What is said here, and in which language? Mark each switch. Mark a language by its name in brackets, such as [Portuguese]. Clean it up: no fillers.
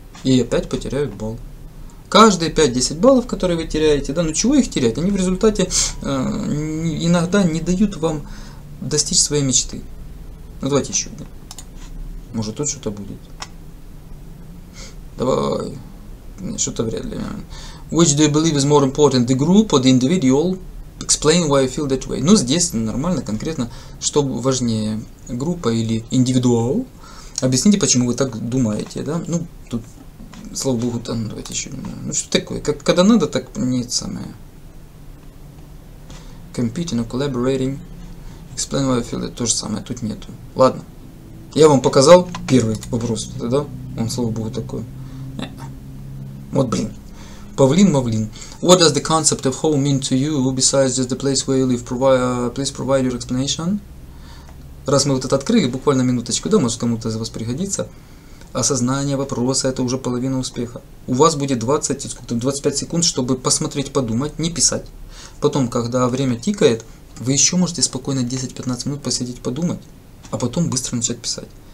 [Russian] И опять потеряют балл. Каждые 5-10 баллов, которые вы теряете, да, ну чего их терять? Они в результате иногда не дают вам достичь своей мечты. Ну давайте еще один. Может тут что-то будет. Давай. Что-то вряд ли. [English] Which do you believe is more important, the group or the individual? Explain why you feel that way. [Russian] Ну, здесь нормально, конкретно, что важнее, группа или индивидуал. Объясните, почему вы так думаете, да? Ну, тут, слава богу, там, давайте еще немного. Ну, что такое? Как, когда надо, так не самое. [English] Competing or collaborating. Explain why you feel that. [Russian] То же самое, тут нету. Ладно. Я вам показал первый вопрос, да? Он, слава богу, такой. Вот, блин. Павлин, мавлин. [English] What does the concept of home mean to you, besides just the place where you live? Please provide your explanation. [Russian] Раз мы вот это открыли, буквально минуточку, да, может кому-то из вас пригодится. Осознание вопроса – это уже половина успеха. У вас будет 25 секунд, чтобы посмотреть, подумать, не писать. Потом, когда время тикает, вы еще можете спокойно 10-15 минут посидеть, подумать, а потом быстро начать писать.